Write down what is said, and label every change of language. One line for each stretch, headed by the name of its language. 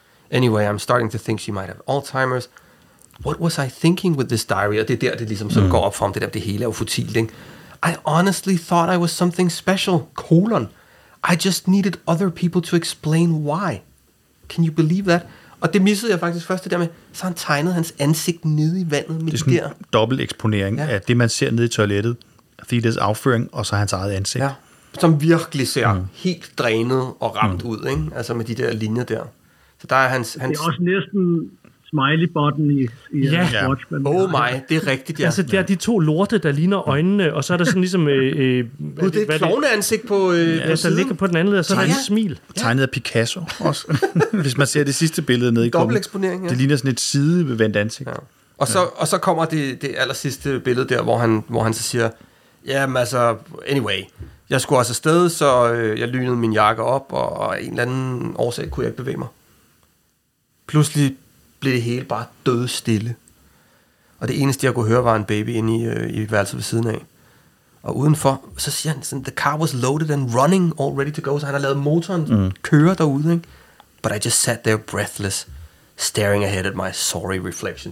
English: Anyway, I'm starting to think she might have Alzheimer's. What was I thinking with this diary?
Danish: Og det er der, det ligesom så går op for ham, det der, det hele er futilt, ikke?
English: I honestly thought I was something special, colon. I just needed other people to explain why. Can you believe that?
Danish: Og det missede jeg faktisk først, det der med, så han tegnede hans ansigt nede i vandet. Det er sådan en dobbelt eksponering af det, man ser nede i toilettet. Thetas afføring, og så hans eget ansigt. Ja, som virkelig ser helt drænet og ramt ud, ikke? Altså med de der linjer der. Så der er hans... Det er også næsten... smiley button i watchman.
English: Oh my,
Danish: det er rigtigt, Altså, det er de to lorte, der ligner øjnene, og så er der sådan ligesom... det er et klovneansigt på siden. Ja, der ligger på den anden led, og så er der en smil. Tegnet af Picasso også. Hvis man ser det sidste billede nede i kummen. Dobbelt eksponering, Det ligner sådan et sidevendt ansigt. Ja. Og, så kommer det allersidste billede der, hvor han så siger, jamen altså, anyway, jeg skulle også afsted, så jeg lynede min jakke op, og en eller anden årsag kunne jeg ikke bevæge mig. Pludselig blev det hele bare døde stille. Og det eneste, jeg kunne høre, var en baby inde i værelset ved siden af. Og udenfor, så siger han sådan,
English: the car was loaded and running, all ready to go.
Danish: Så han har lavet motoren køre derude, ikke?
English: But I just sat there breathless, staring ahead at my sorry reflection.